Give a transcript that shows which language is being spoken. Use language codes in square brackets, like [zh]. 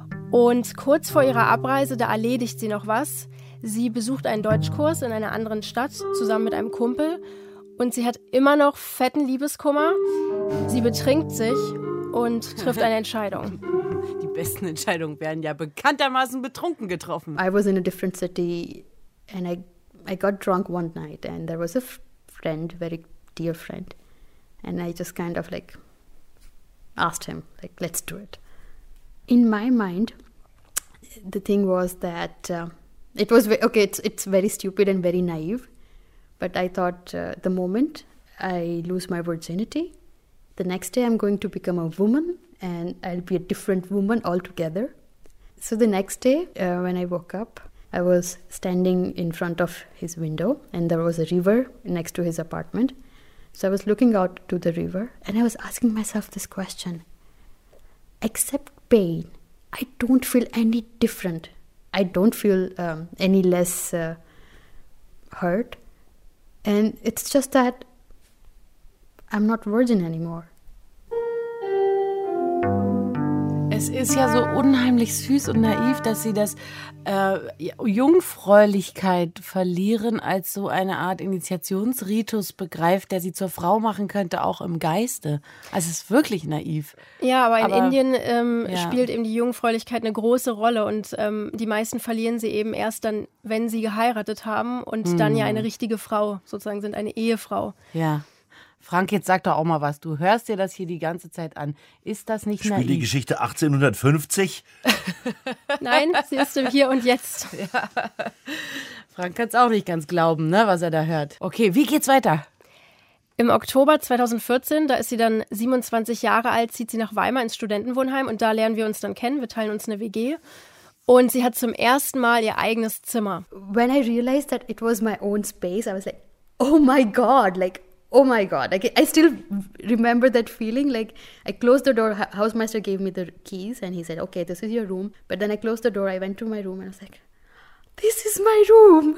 [de] Und kurz vor ihrer Abreise, da erledigt sie noch was. Sie besucht einen Deutschkurs in einer anderen Stadt zusammen mit einem Kumpel. Und sie hat immer noch fetten Liebeskummer. Sie betrinkt sich und trifft eine Entscheidung. Die besten Entscheidungen werden ja bekanntermaßen betrunken getroffen. [en] I was in a different city and I got drunk one night and there was a friend, very dear friend. And I just kind of like asked him, like, let's do it. In my mind, the thing was that it was okay. It's very stupid and very naive, but I thought the moment I lose my virginity, the next day I'm going to become a woman and I'll be a different woman altogether. So the next day, when I woke up, I was standing in front of his window and there was a river next to his apartment. So I was looking out to the river and I was asking myself this question: except pain, I don't feel any different. I don't feel any less hurt. And it's just that I'm not virgin anymore. [de] Es ist ja so unheimlich süß und naiv, dass sie das Jungfräulichkeit verlieren als so eine Art Initiationsritus begreift, der sie zur Frau machen könnte, auch im Geiste. Also es ist wirklich naiv. Ja, aber in Indien spielt eben die Jungfräulichkeit eine große Rolle und die meisten verlieren sie eben erst dann, wenn sie geheiratet haben und dann ja eine richtige Frau sozusagen sind, eine Ehefrau. Ja. Frank, jetzt sag doch auch mal was. Du hörst dir das hier die ganze Zeit an. Ist das nicht naiv? Spiel die Geschichte 1850? Nein, sie ist im Hier und Jetzt. Ja. Frank kann es auch nicht ganz glauben, ne, was er da hört. Okay, wie geht's weiter? Im Oktober 2014, da ist sie dann 27 Jahre alt, zieht sie nach Weimar ins Studentenwohnheim und da lernen wir uns dann kennen. Wir teilen uns eine WG und sie hat zum ersten Mal ihr eigenes Zimmer. [en] When I realized that it was my own space, I was like, oh my God, like, oh my God, I still remember that feeling. Like, I closed the door, housemaster gave me the keys and he said, okay, this is your room. But then I closed the door, I went to my room and I was like, this is my room.